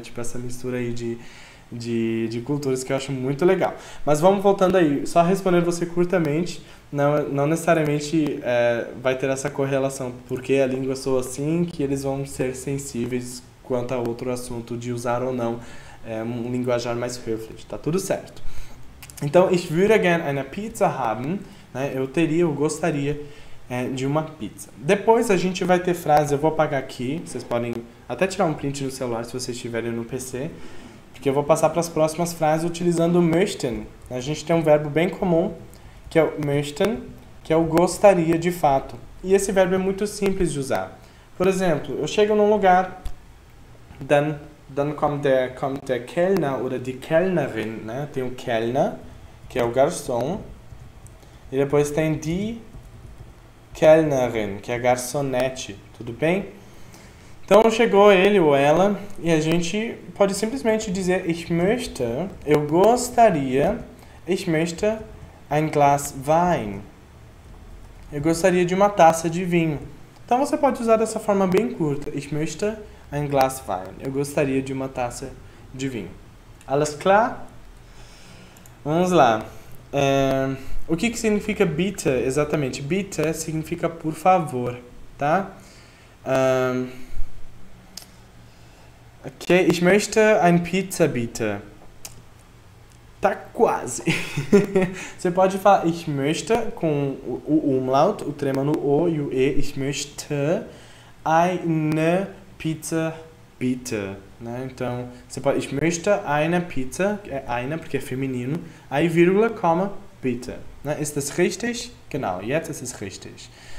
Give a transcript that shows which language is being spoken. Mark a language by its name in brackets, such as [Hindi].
[Portuguese] Tipo, essa mistura aí de culturas que eu acho muito legal. Mas vamos voltando aí. Só respondendo você curtamente. Não, não necessariamente vai ter essa correlação, porque a língua soa assim, que eles vão ser sensíveis quanto a outro assunto de usar ou não um linguajar mais höflich. Tá tudo certo. [German] Então, ich würde gerne eine Pizza haben, né? [Portuguese] Eu gostaria de uma pizza. Depois a gente vai ter frase, eu vou apagar aqui, vocês podem até tirar um print no celular se vocês estiverem no PC, porque eu vou passar para as próximas frases utilizando möchten. A gente tem um verbo bem comum, que é o möchten, que é o gostaria de fato. E esse verbo é muito simples de usar. Por exemplo, eu chego num lugar, dann kommt der Kellner oder die Kellnerin, né? Tem o Kellner, que é o garçom, e depois tem die Kellnerin, que é a garçonete, tudo bem? Então chegou ele ou ela, e a gente pode simplesmente dizer ich möchte, eu gostaria, ich möchte ein Glas Wein. Eu gostaria de uma taça de vinho. Então você pode usar dessa forma bem curta. [German] Ich möchte ein Glas Wein. [Portuguese] Eu gostaria de uma taça de vinho. Alles klar? Vamos lá. O que que significa bitte exatamente? Bitte significa por favor, tá? [German] Okay, ich möchte ein Pizza bitte. [Portuguese] Tá quase. Você pode falar ich möchte com o umlaut, o trema no O e o E. [German] Ich möchte eine Pizza bitte. Né? Então, você pode. [Portuguese] Ich möchte eine Pizza, é eine porque é feminino. Aí, vírgula, comma, bitte. Né? Ist das richtig? [German] Genau, jetzt ist es richtig.